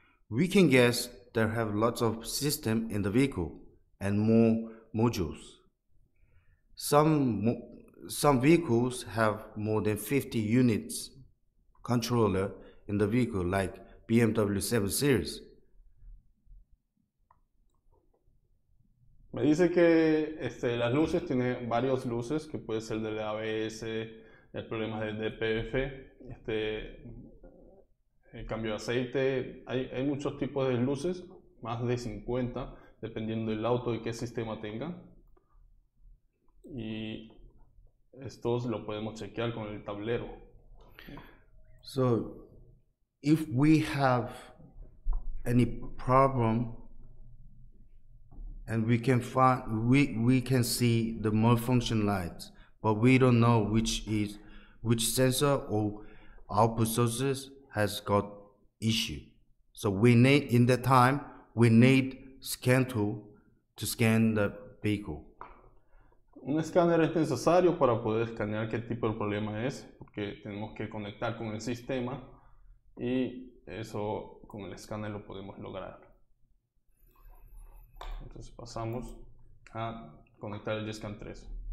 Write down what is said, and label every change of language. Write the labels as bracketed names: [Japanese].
[English] We can guess there have lots of system in the vehicle and more modules. Some vehicles have more than 50 units controller in the vehicle, like BMW 7 Series. [Spanish] Me dice que las luces tiene varias luces, que puede ser del ABS, el problema del DPF, el cambio de aceite. Hay muchos tipos de luces, más de 50, dependiendo del auto y qué sistema tenga. Y estos lo podemos chequear con el tablero. [English] So, if we have any problem, and we can find we can see the malfunction lights, but we don't know which sensor or output sources has got issue. So we need in that time we need scan tool to scan the vehicle. [Spanish] Un escáner es necesario para poder escanear qué tipo de problema es, porque tenemos que conectar con el sistema y eso con el escáner lo podemos lograr. Entonces pasamos a conectar el Gscan 3.